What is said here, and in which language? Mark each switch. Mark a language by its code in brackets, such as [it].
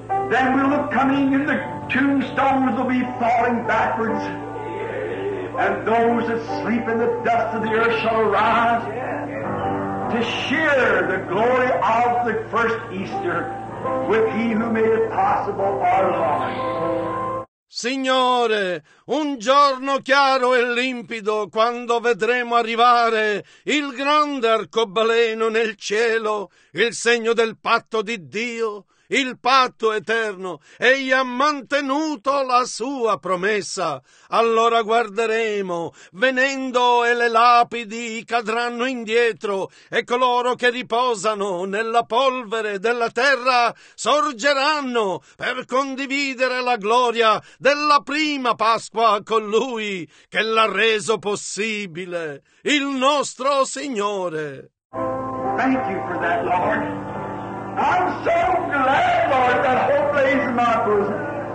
[en] Then we'll look coming, and the tombstones will be falling backwards. And those that sleep in the dust of the earth shall arise to share the glory of the first Easter with He who made it possible, our Lord. [it] Signore, un giorno chiaro e limpido, quando vedremo arrivare il grande arcobaleno nel cielo, il segno del patto di Dio, il patto eterno, egli ha mantenuto la sua promessa. Allora guarderemo, venendo, e le lapidi cadranno indietro, e coloro che riposano nella polvere della terra sorgeranno per condividere la gloria della prima Pasqua con lui che l'ha reso possibile, il nostro Signore. [en] Thank you for that, Lord. I'm so glad, Lord, that hope lays in my bosom.